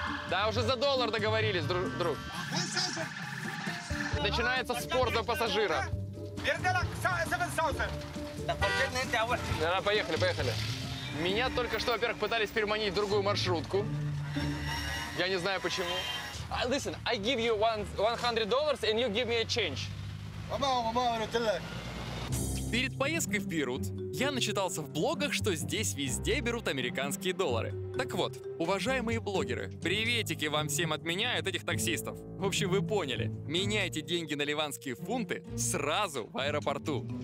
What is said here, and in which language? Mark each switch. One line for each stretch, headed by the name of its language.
Russian: Да, уже за доллар договорились, друг. Начинается спор до пассажира. Да, поехали, поехали. Меня только что, во-первых, пытались переманить в другую маршрутку. Я не знаю, почему.
English: Listen, I give you $100 and you give me a change.
Russian: Перед поездкой в Бейрут я начитался в блогах, что здесь везде берут американские доллары. Так вот, уважаемые блогеры, приветики вам всем от меня и от этих таксистов. В общем, вы поняли, меняйте деньги на ливанские фунты сразу в аэропорту.